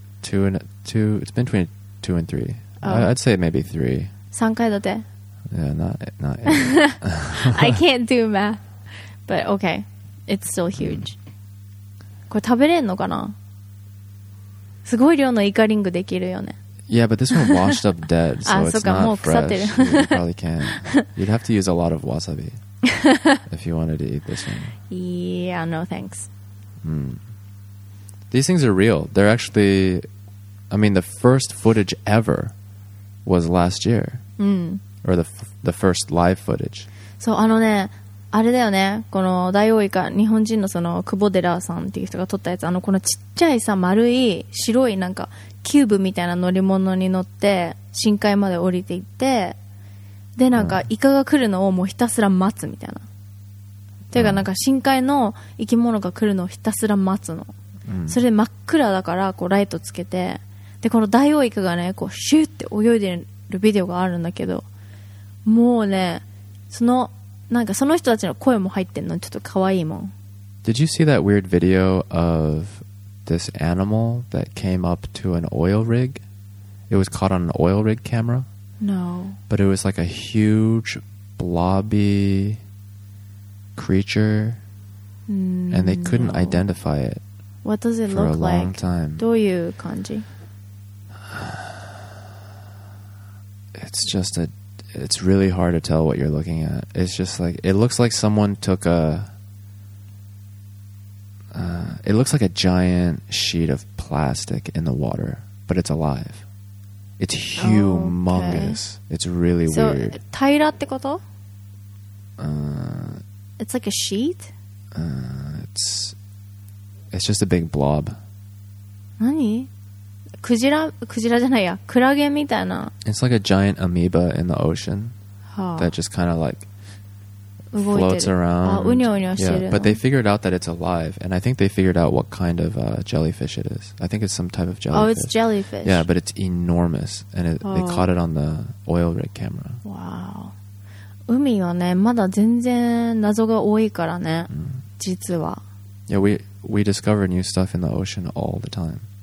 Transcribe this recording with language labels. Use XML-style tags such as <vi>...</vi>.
<en>2 It's been between 2 and 3 oh. I'd say maybe 3</en> <ja>3階建て?</ja> <en>Yeah, not I can't do math But okay It's still huge</en> <ja>これ食べれんのかな? すごい量のイカリングできるよね</ja> <en>Yeah, but this one washed up dead, so it's not fresh. You probably can't. You'd have to use a lot of wasabi if you wanted to eat this one. Yeah, no thanks. These things are real. They're actually... I mean, the first footage ever was last year. Or the first live footage.</en> <ja>So, あのね、あれだよね、このダイオウイカ、日本人のその久保寺さんっていう人が撮ったやつ、あのこのちっちゃいさ丸い白いなんかキューブみたいな乗り物に乗って深海まで降りていって、でなんかイカが来るのをもうひたすら待つみたいな、ていうかなんか深海の生き物が来るのをひたすら待つの、それで真っ暗だからこうライトつけて、でこのダイオウイカがねこうシューって泳いでるビデオがあるんだけど、もうねそのなんかその人たちの声も入ってんの、ちょっとかわいいもん。</ja> <en>Did you see that weird video of this animal that came up to an oil rig? It was caught on an oil rig camera? No. But it was like a huge blobby creature, and they couldn't identify it. What does it look like? For a long time.</en> <ja>どういう感じ?</ja> <en>It's just a It's really hard to tell what you're looking at. It's just like, it looks like someone took a, it looks like a giant sheet of plastic in the water, but it's alive. It's humongous. Oh, okay. It's really so, weird.</en> <ja>So, 平らってこと?</ja> <en>It's like a sheet? It's just a big blob.</en> <ja>何? クジラ、クジラじゃないや、クラゲみたいな。</ja> <en>It's like a giant amoeba in the ocean、</en> <ja>はあ、</ja> <en>that just kind of like</en> <ja>動いてる。</ja> <en>floats around.</en> <ja>あ、うにょうにょしてる。</ja> <en>Yeah, but they figured out that it's alive, and I think they figured out what kind of、jellyfish it is. I think it's some type of jellyfish. Oh, it's jellyfish. Yeah, but it's enormous, and it,、oh. they caught it on the oil rig camera. Wow.</en> <ja>海はね、まだ全然謎が多いからね、実は。</ja> <en>Yeah, we discover new stuff in the ocean all the time.</en>